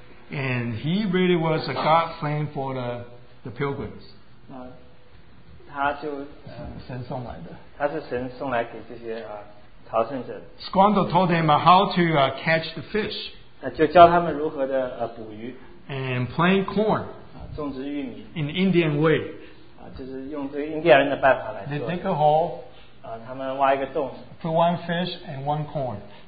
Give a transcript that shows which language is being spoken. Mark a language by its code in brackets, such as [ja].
[en] And he really was a godsend for the pilgrims. [zh] 他是神送来给这些朝圣者的。 [en] Squanto told him how to catch the fish. [zh] 就教他们如何的捕鱼。 [en] And plant corn. In the Indian way. They dig a hole, put one fish and one corn.